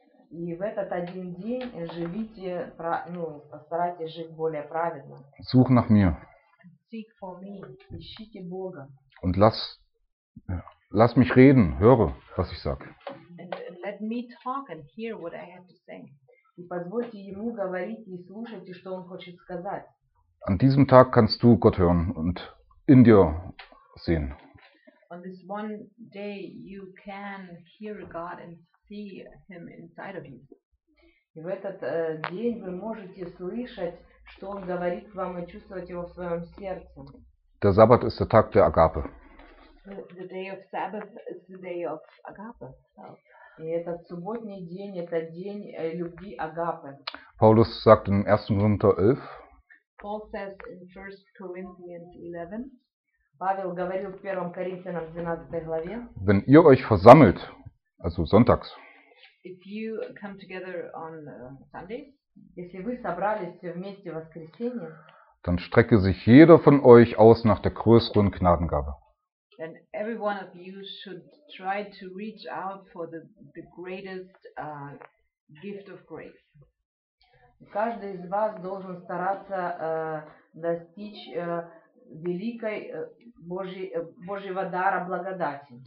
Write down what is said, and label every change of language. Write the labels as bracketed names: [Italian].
[Russian] И в этот один день живите, ну, постарайтесь жить более праведно. [German] Such nach mir. [English] Seek for me. [Russian] Ищите Бога. [German] Und lass mich reden, höre, was ich sage. [English] And let me talk and hear what I have to say. [Russian] И позвольте ему говорить и слушать, что он хочет сказать. [German] An diesem Tag kannst du Gott hören und in dir sehen. [English] On this one day you can hear God and see him inside of you. [Russian] И в этот день вы можете слышать, что он говорит вам и чувствовать его в своем сердце. [German] Der Sabbat ist der Tag der Agape. [English] The day of Sabbath is the day of Agape. [Russian] И этот субботний день это день любви Агапы. [German] Paulus sagt in 1. Korinther 11. [English] Paul says in 1 Corinthians 11. [Russian] Павел говорил в 1 Коринфянам 12 главе. [German] Wenn ihr euch versammelt, also sonntags. [English] If you come together on Sundays. [Russian] Если вы собрались вместе в воскресенье, [German] dann strecke sich jeder von euch aus nach der größeren Gnadengabe. [English] Then every one of you should try to reach out for the greatest gift of grace. [Russian] Каждый из вас должен стараться достичь великой Божьего дара благодати.